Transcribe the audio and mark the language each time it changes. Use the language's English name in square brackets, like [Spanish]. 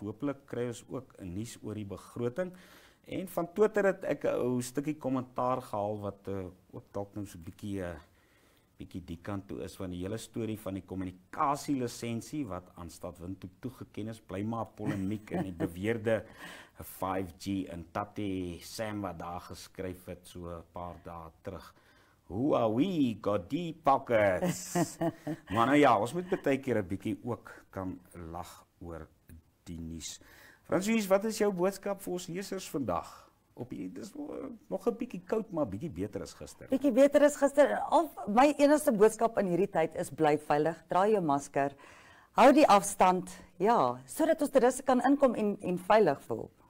[Afrikaans] Hopelik kry ons ook 'n nuus oor die begroting. En van Twitter het ek 'n ou stukkie kommentaar gehaal wat ook dalk net so 'n bietjie die kant toe is van die hele storie van die kommunikasie lisensie wat aan Stad Windhoek toegeken is, bly maar polemiek in die beweerde 5G en Tati Sam wat daar geskryf het so 'n paar dae terug. [English] Huawei got deep pockets. [Afrikaans] Maar nou ja, ons moet baie keer 'n bietjie ook kan lag oor die nuus. Fransuis, wat is jou boodskap vir ons lesers vandag? Op hierdie dis nog 'n bietjie koud, maar bietjie beter as gister. Bietjie beter as gister. Al my enigste boodskap in hierdie tyd is bly veilig, dra jou masker, hou die afstand, ja, sodat ons toeriste kan inkom en veilig voel.